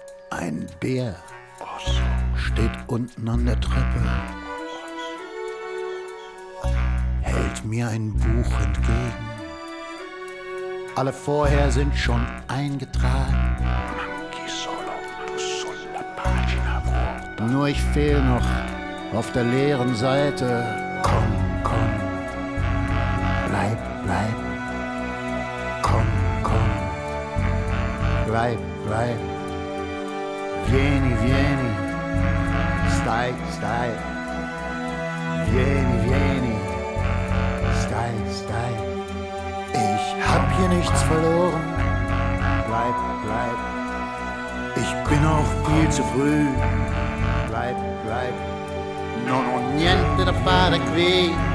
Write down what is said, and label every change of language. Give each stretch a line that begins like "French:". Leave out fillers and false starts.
German: Ein Bär steht unten an der Treppe. Mir ein Buch entgegen. Alle vorher sind schon eingetragen.
Italian: Manchi solo, du sulla pagina vuota.
German: Nur ich fehl noch auf der leeren Seite. Komm, komm, bleib, bleib. Komm, komm, bleib, bleib.
Italian: Vieni, vieni, stai, stai. Vieni, vieni.
German: Ich hab hier nichts verloren. Bleib, bleib. Ich bin auch viel zu früh. Bleib, bleib.
Italian: Non ho niente da fare qui.